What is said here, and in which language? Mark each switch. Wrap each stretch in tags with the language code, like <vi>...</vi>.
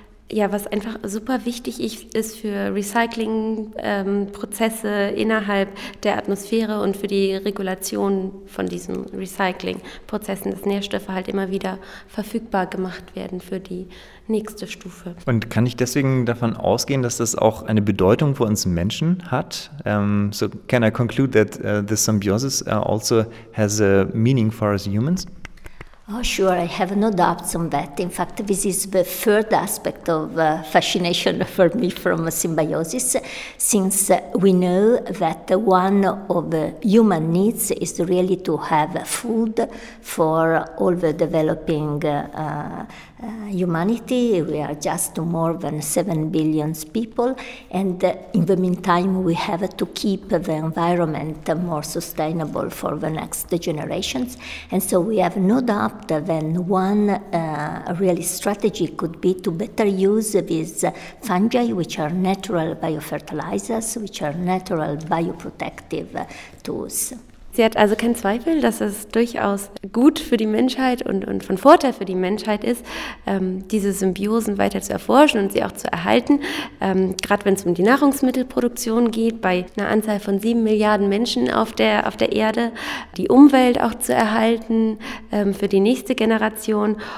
<de>Ja, was einfach super wichtig ist für Recycling-Prozesse innerhalb der Atmosphäre und für die Regulation von diesen Recycling-Prozessen, dass Nährstoffe halt immer wieder verfügbar gemacht werden für die nächste Stufe. Und kann ich deswegen davon ausgehen, dass das auch eine Bedeutung für uns Menschen hat?</de> <en>So can I conclude that the symbiosis also has a meaning for us humans? Oh, sure, I have no doubts on that. In fact, this is the third aspect of fascination for me from symbiosis, since we know that one of the human needs is really to have food for all the developing humanity. We are just more than 7 billion people, and in the meantime, we have to keep the environment more sustainable for the next generations. And so we have no doubt that one really strategy could be to better use these fungi, which are natural biofertilizers, which are natural bioprotective tools.</en> <de>Sie hat also keinen Zweifel, dass es durchaus gut für die Menschheit und von Vorteil für die Menschheit ist, diese Symbiosen weiter zu erforschen und sie auch zu erhalten. Gerade wenn es um die Nahrungsmittelproduktion geht, bei einer Anzahl von 7 Milliarden Menschen auf der Erde, die Umwelt auch zu erhalten für die nächste Generation.</de>